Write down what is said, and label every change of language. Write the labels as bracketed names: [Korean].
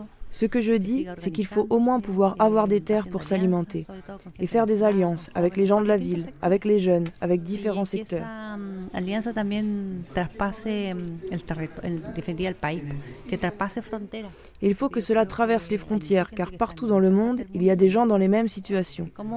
[French] Ce que je dis, c'est qu'il faut au moins pouvoir avoir des terres pour s'alimenter et faire des alliances avec les gens de la ville, avec les jeunes, avec différents secteurs. [Spanish] Alliance también traspase el territorio, el país, que traspase fronteras. [French] Il faut que cela traverse les frontières, car partout dans le monde, il y a des gens dans les mêmes situations.